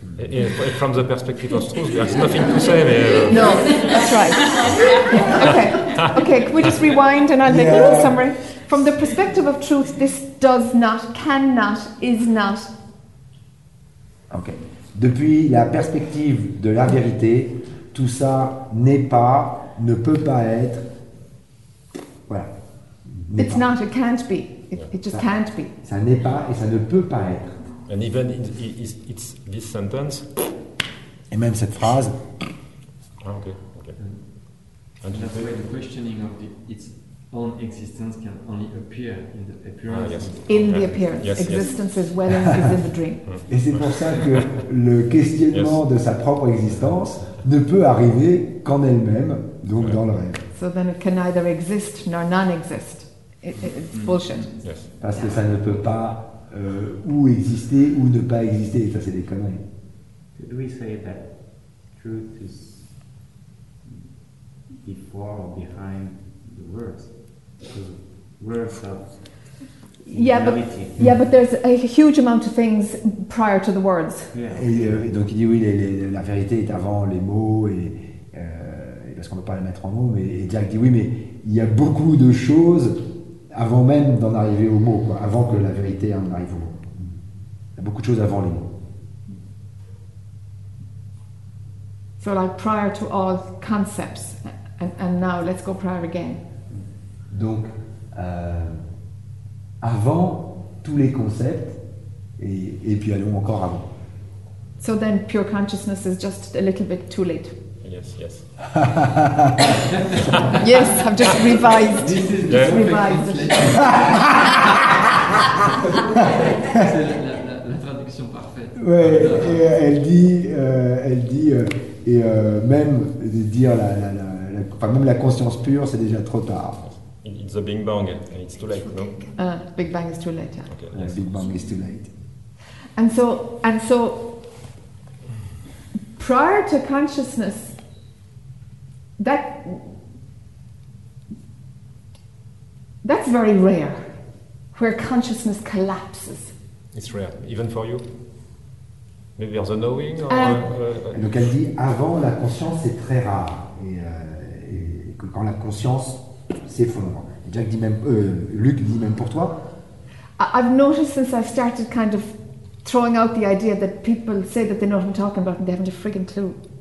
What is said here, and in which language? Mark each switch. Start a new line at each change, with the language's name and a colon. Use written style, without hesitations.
English: Yeah, from the perspective of truth, there's nothing to say. No, that's right. Okay, can we just rewind and I'll make a little summary? From the perspective of truth, this does not, cannot, is not. Okay.
French: Depuis la perspective de la vérité, tout ça n'est pas, ne peut pas être. Voilà.
English: It's
French: pas.
English: Not, it can't be. It just
French: ça,
English: can't be.
French: Ça n'est pas et ça ne peut pas être.
English: And even it's this sentence.
French: Et même cette phrase.
English: Ah, okay. And that's why the questioning of its own existence can only appear in the appearance. Ah, yes. In the appearance. Yes, existence yes. Is well is in the dream.
French: Et c'est pour ça que le questionnement de sa propre existence ne peut arriver qu'en elle-même, donc dans le rêve.
English: So then it can neither exist nor non-exist. It's bullshit. Yes.
French: Parce que ça ne peut pas ou exister ou ne pas exister, ça c'est des conneries.
English: Could we say that truth is before or behind the words? Because words are reality. Yeah, but there's a huge amount of things prior to the words. Yeah.
French: Et donc il dit oui, la vérité est avant les mots, et parce qu'on ne peut pas la mettre en mots, mais Jack dit oui, mais il y a beaucoup de choses avant même d'en arriver aux mots, quoi, avant que la vérité en arrive aux mots. Il y a beaucoup de choses avant les mots.
English: So like prior to all concepts, and now let's go prior again.
French: Donc, avant tous les concepts, et puis allons encore avant.
English: So then pure consciousness is just a little bit too late. Yes. Yes, I've just revised. This is just revised.
French: C'est la traduction parfaite. Ouais, elle dit, même de dire même la conscience pure, c'est déjà trop tard.
English: It's a big bang, and it's too late, no? Big bang is too late. Okay, big bang is too late. And so. prior to consciousness, that that's very rare, where consciousness collapses. It's rare, even for you. Maybe there's a knowing. Or,
French: Donc elle dit avant la conscience c'est très rare et que quand la conscience s'effondre. Jack dit même, Luc dit même pour toi.
English: I've noticed since I've started kind of throwing out the idea that people say that they know what I'm talking about and they haven't a friggin' clue.